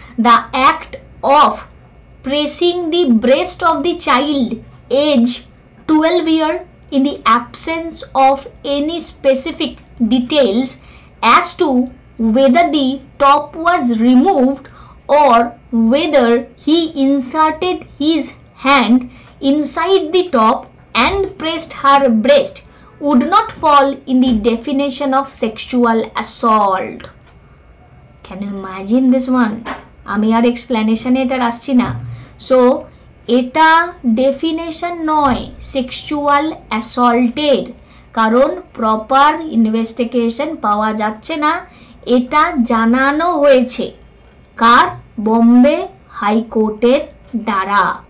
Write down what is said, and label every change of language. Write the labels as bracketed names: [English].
[English] The act of pressing the breast of the child age 12 year in the absence of any specific details as to whether the top was removed or whether he inserted his hand inside the top and pressed her breast would not fall in the definition of sexual assault. Can you imagine this one? [Bangla] আমি আর এক্সপ্লেনেশনে এটার আসছি না। So এটা definition নয় sexual অ্যাসল্টের, কারণ proper investigation পাওয়া যাচ্ছে না। এটা জানানো হয়েছে কার? বোম্বে হাইকোর্টের দ্বারা।